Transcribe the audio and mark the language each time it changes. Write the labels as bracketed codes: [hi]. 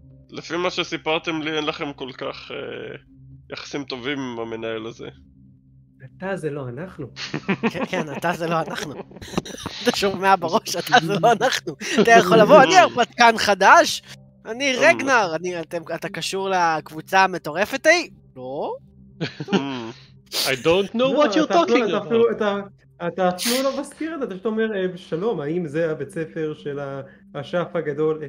[he] לפי מה שסיפרתם לי, אין לכם כל כך יחסים טובים עם המנהל הזה. אתה זה לא אנחנו. כן, אתה זה לא אנחנו. אתה שומע בראש, אתה זה לא אנחנו. אתה יכול לבוא, אני הרפתקן חדש? אני רגנר, אתה קשור לקבוצה המטורפת ההיא? לא? [en] I don't know what you're talking about. [he] אתה אפילו לא מזכיר את זה, אתה שאתה אומר, שלום, האם זה הבית ספר של השף הגדול?